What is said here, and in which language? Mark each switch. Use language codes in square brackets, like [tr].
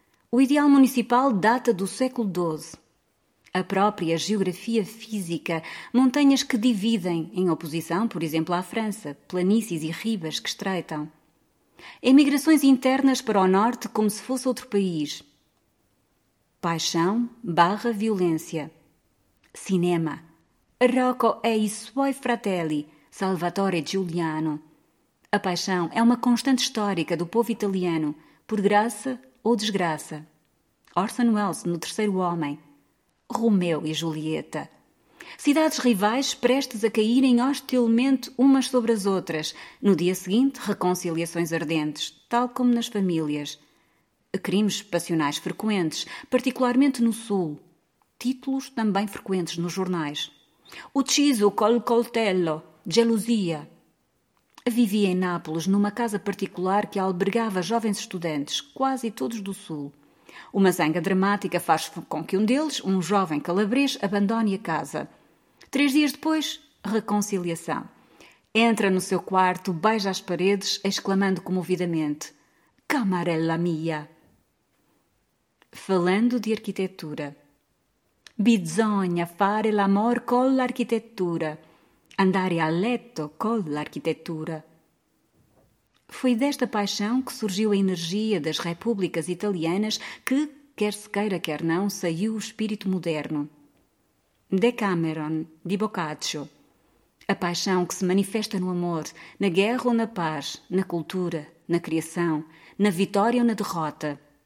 [pt] O ideal municipal data do século XII. A própria geografia física, montanhas que dividem, em oposição, por exemplo, à França, planícies e ribas que estreitam. Emigrações internas para o norte como se fosse outro país. Paixão barra violência. Cinema. Rocco e i suoi fratelli, Salvatore Giuliano. A paixão é uma constante histórica do povo italiano, por graça ou desgraça. Orson Welles no Terceiro Homem. Romeu e Julieta. Cidades rivais prestes a caírem hostilmente umas sobre as outras. No dia seguinte, reconciliações ardentes, tal como nas famílias. Crimes passionais frequentes, particularmente no Sul. Títulos também frequentes nos jornais. [it] Ucciso col coltello, gelosia. [pt] Vivia em Nápoles, numa casa particular que albergava jovens estudantes, quase todos do Sul. Uma zanga dramática faz com que um deles, um jovem calabrês, abandone a casa. 3 dias depois, reconciliação. Entra no seu quarto, beija as paredes, exclamando comovidamente: [it] Camarella mia! [pt] Falando de arquitetura. [it] Bisogna fare l'amor con l'architettura. Andare a letto con l'architettura. [pt] Foi desta paixão que surgiu a energia das repúblicas italianas que, quer se queira quer não, saiu o espírito moderno. Decameron, de Boccaccio. A paixão que se manifesta no amor, na guerra ou na paz, na cultura, na criação, na vitória ou na derrota.